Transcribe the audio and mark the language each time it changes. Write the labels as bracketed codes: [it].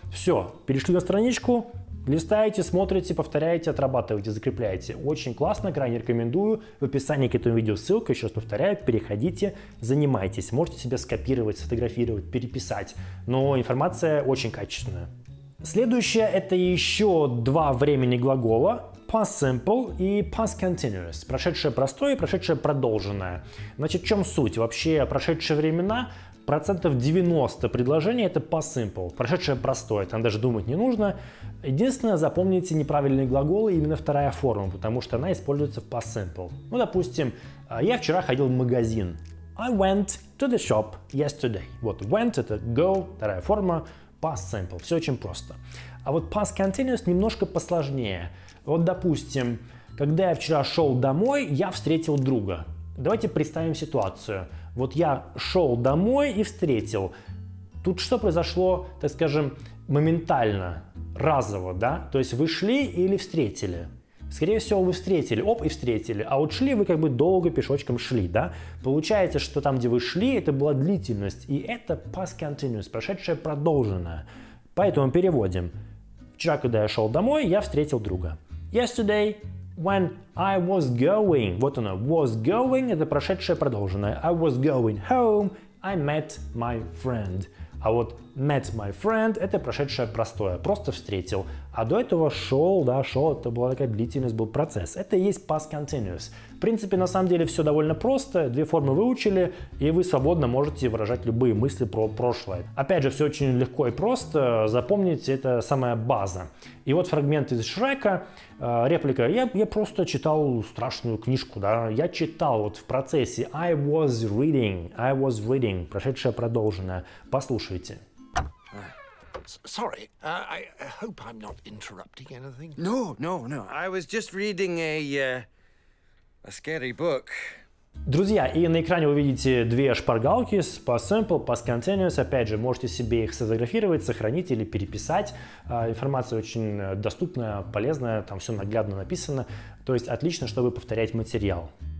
[ru] Все, перешли на страничку. Листаете, смотрите, повторяете, отрабатываете, закрепляете. Очень классно, крайне рекомендую. В описании к этому видео ссылка, еще раз повторяю, переходите, занимайтесь. Можете себе скопировать, сфотографировать, переписать. Но информация очень качественная. Следующее – это еще два времени глагола. [en] Past simple и past continuous. [ru] Прошедшее простое и прошедшее продолженное. Значит, в чем суть? Вообще, прошедшие времена – процентов 90 предложений это past simple, прошедшее простое, там даже думать не нужно. Единственное, запомните неправильные глаголы, именно вторая форма, потому что она используется в past simple. Ну, допустим, я вчера ходил в магазин. [en] I went to the shop yesterday. [ru] Вот went это go, вторая форма, past simple, все очень просто. А вот past continuous немножко посложнее. Вот, допустим, когда я вчера шел домой, я встретил друга. Давайте представим ситуацию. Вот я шел домой и встретил. Тут что произошло, так скажем, моментально, разово, да? То есть вы шли или встретили? Скорее всего, вы встретили, оп, и встретили. А вот шли вы как бы долго пешочком шли, да? Получается, что там, где вы шли, это была длительность. И это past continuous, прошедшее продолженное. Поэтому переводим. Вчера, когда я шел домой, я встретил друга. [en] Yesterday. When I was going, [ru] вот оно, [en] was going, [ru] это прошедшее продолженное. [en] I was going home, I met my friend. [ru] А вот [en] met my friend [ru] – это прошедшее простое, просто встретил. А до этого шел, да, шел – это была такая длительность, был процесс. Это и есть past continuous. В принципе, на самом деле все довольно просто, две формы выучили, и вы свободно можете выражать любые мысли про прошлое. Опять же, все очень легко и просто, запомните, это самая база. И вот фрагмент из Шрека, реплика: я просто читал страшную книжку, да, я читал вот в процессе, [en] I was reading, [ru] прошедшее продолженное, послушайте. [en] Sorry, I hope I'm not interrupting anything. No, I was just reading a scary book. [ru] Друзья, и на экране вы видите две шпаргалки с past simple, past continuous. Опять же, можете себе их сфотографировать, сохранить или переписать. Информация очень доступная, полезная, там все наглядно написано. То есть отлично, чтобы повторять материал.